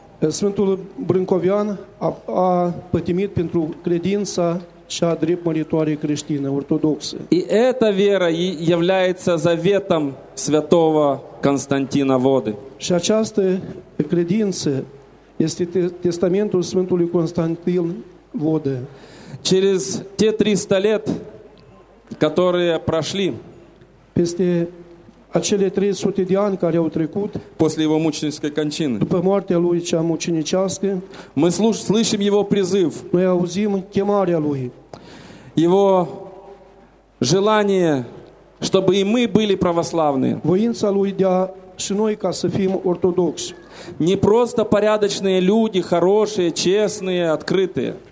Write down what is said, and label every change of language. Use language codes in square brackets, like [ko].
[ro] Sfântul Brâncovian a pătimit pentru credința cea dreptmăritoare creștină, ortodoxă. [ru] И эта вера является заветом святого Константина Воды. [ro] Și această credință este testamentul Sfântului Константин Воды. [ru] Через те 300 лет, которые прошли, [ro] peste acele 300 de ani care au trecut [ru] после его мученической кончины. [ro] După moartea lui cea mucenicească. [ru] Мы слышим его призыв. [ro] Noi auzim chemarea lui. [ru] Его желание, чтобы и мы были православные. [ro] Воința lui de a și noi ca să fim ortodoxi. [ru] Не просто порядочные люди, хорошие, честные, открытые.